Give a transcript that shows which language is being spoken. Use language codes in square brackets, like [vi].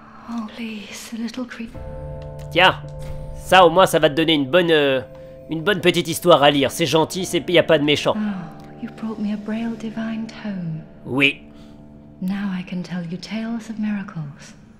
[en] Oh, please, a little creep. [fr] Tiens, ça au moins ça va te donner une bonne petite histoire à lire. C'est gentil, c'est y a pas de méchant. [en] Oh. You brought me a Braille Divine Tome. [fr] Oui. [en] Now I can tell you tales of miracles.